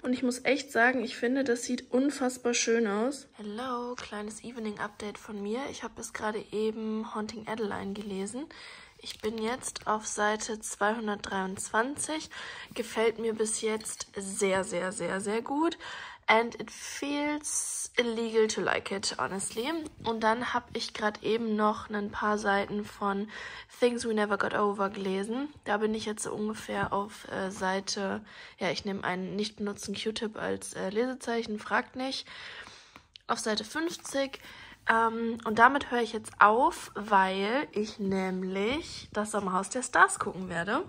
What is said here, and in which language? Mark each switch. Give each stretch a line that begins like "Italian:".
German: Und ich muss echt sagen, ich finde, das sieht unfassbar schön aus. Hello, kleines Evening-Update von mir. Ich habe es gerade eben Haunting Adeline gelesen. Ich bin jetzt auf Seite 223. Gefällt mir bis jetzt sehr, sehr, sehr, sehr gut.
English: And it feels illegal to like it, honestly.
German: Und dann habe ich gerade eben noch ein paar Seiten von Things We Never Got Over gelesen. Da bin ich jetzt so ungefähr auf Seite, ja, ich nehme einen nicht benutzten Q-Tip als Lesezeichen, fragt nicht, auf Seite 50. Und damit höre ich jetzt auf, weil ich nämlich das Sommerhaus der Stars gucken werde.